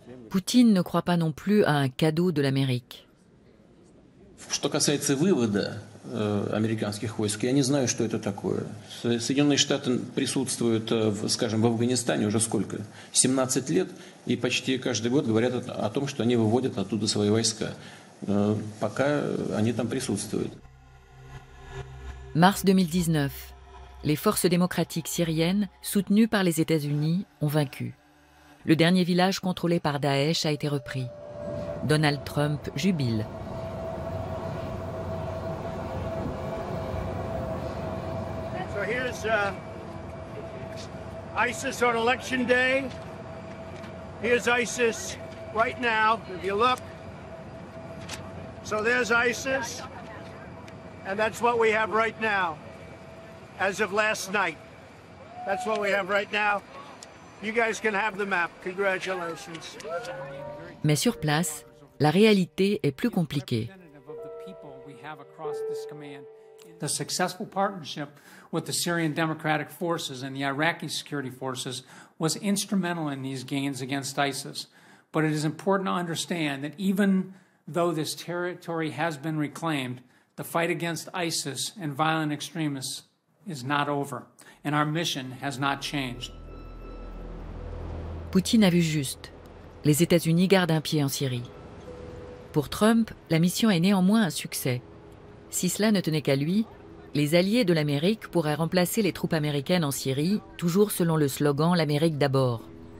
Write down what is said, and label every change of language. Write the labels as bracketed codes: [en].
[fr] Poutine ne croit pas non plus à un cadeau de l'Amérique. [ru] Что касается вывода американских войск, я не знаю, что это такое. Соединенные Штаты присутствуют, скажем, в Афганистане уже сколько? 17 лет, и почти каждый год говорят о том, что они выводят оттуда свои войска. Пока они там присутствуют. [fr] Mars 2019. Les forces démocratiques syriennes, soutenues par les États-Unis, ont vaincu. Le dernier village contrôlé par Daesh a été repris. Donald Trump jubile. [en] ISIS on election day. Here's ISIS right now. If you look, So there's ISIS, and that's what we have right now, as of last night. That's what we have right now. You guys can have the map. Congratulations. [fr] Mais sur place, la réalité est plus compliquée. [en] The successful partnership with the Syrian Democratic Forces and the Iraqi security forces was instrumental in these gains against ISIS. But it is important to understand that even though this territory has been reclaimed, the fight against ISIS and violent extremists is not over, and our mission has not changed. [fr] Poutine a vu juste. Les États-Unis gardent un pied en Syrie. Pour Trump, la mission est néanmoins un succès. Si cela ne tenait qu'à lui, les alliés de l'Amérique pourraient remplacer les troupes américaines en Syrie, toujours selon le slogan « l'Amérique d'abord ».